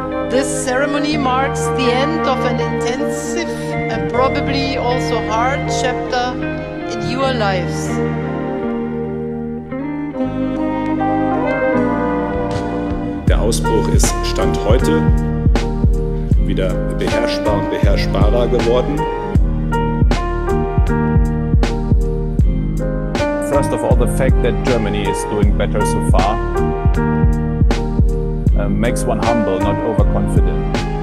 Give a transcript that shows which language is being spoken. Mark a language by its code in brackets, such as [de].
[en] This ceremony marks the end of an intensive and probably also hard chapter in your lives. [de] Der Ausbruch ist Stand heute wieder beherrschbar und beherrschbarer geworden. [en] First of all, the fact that Germany is doing better so far makes one humble, not overconfident.